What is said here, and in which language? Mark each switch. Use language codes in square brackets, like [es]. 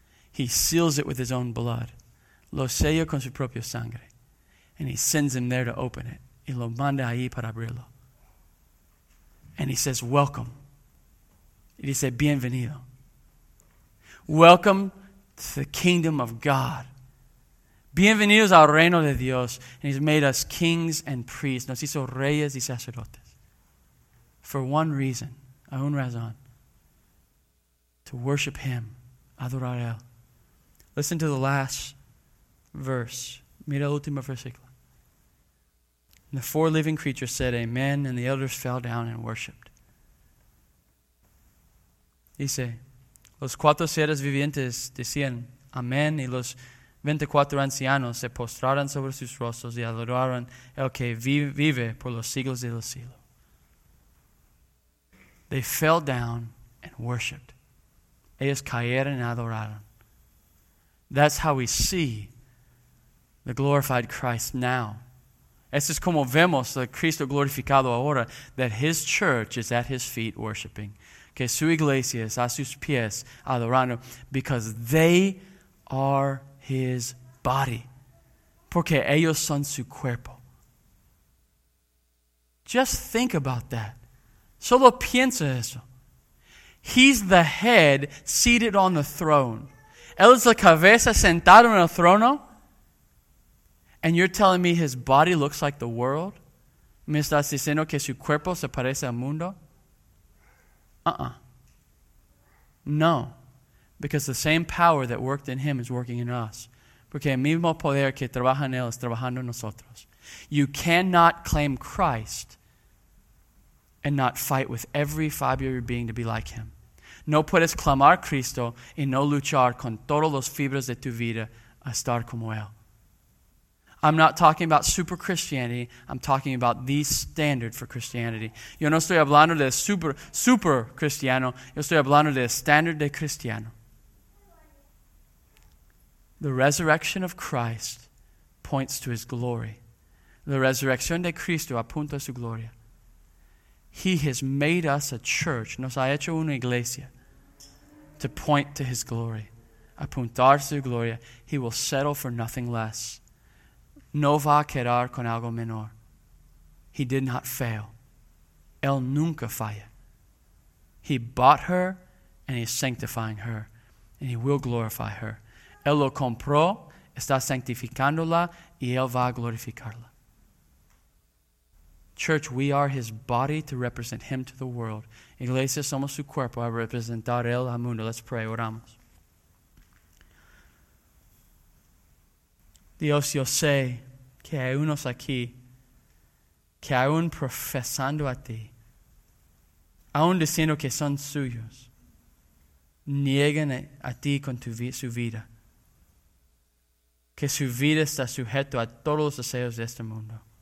[en] He seals it with His own blood. [es] Lo sella con su propia sangre. [en] And He sends Him there to open it. [es] Y lo manda ahí para abrirlo. [en] And He says, "Welcome." [es] Y dice, "Bienvenido." [en] Welcome to the kingdom of God. [es] Bienvenidos al reino de Dios. [en] And He's made us kings and priests. [es] Nos hizo reyes y sacerdotes. [en] For one reason, [es] a un razón. [en] To worship Him, [es] adorar a Él. [en] Listen to the last verse. [es] Mira el último versículo. [en] And the four living creatures said, "Amen," and the elders fell down and worshipped. [es] Dice, los cuatro seres vivientes decían, "Amén," y los 24 ancianos se postraron sobre sus rostros y adoraron el que vive por los siglos de los siglos. [en] They fell down and worshipped. [es] Ellos cayeron y adoraron. [en] That's how we see the glorified Christ now. [es] Eso es como vemos a Cristo glorificado ahora, [en] that his church is at his feet worshiping. [es] Que su iglesia es a sus pies adorando, [en] because they are his body. [es] Porque ellos son su cuerpo. [en] Just think about that. [es] Solo piensa eso. [en] He's the head seated on the throne. [es] Él es la cabeza sentado en el trono. [en] And you're telling me his body looks like the world? [es] ¿Me estás diciendo que su cuerpo se parece al mundo? Uh-uh. No. [en] Because the same power that worked in him is working in us. [es] Porque el mismo poder que trabaja en él es trabajando en nosotros. [en] You cannot claim Christ and not fight with every fiber of your being to be like him. [es] No puedes clamar Cristo y no luchar con todos los fibras de tu vida a estar como él. [en] I'm not talking about super Christianity. I'm talking about the standard for Christianity. [es] Yo no estoy hablando de super cristiano. Yo estoy hablando de standard de cristiano. [en] The resurrection of Christ points to his glory. [es] La resurrección de Cristo apunta a su gloria. [en] He has made us a church. [es] Nos ha hecho una iglesia. [en] To point to his glory. [es] Apuntar su gloria. [en] He will settle for nothing less. [es] No va a quedar con algo menor. [en] He did not fail. [es] Él nunca falla. [en] He bought her and he's sanctifying her. And he will glorify her. [es] Él lo compró, está sanctificándola y él va a glorificarla. [en] Church, we are his body to represent him to the world. [es] Iglesia, somos su cuerpo a representar él al mundo. [en] Let's pray, [es] oramos. Dios, yo sé que hay unos aquí que aún profesando a ti, aún diciendo que son suyos, niegan a ti con su vida, que su vida está sujeta a todos los deseos de este mundo.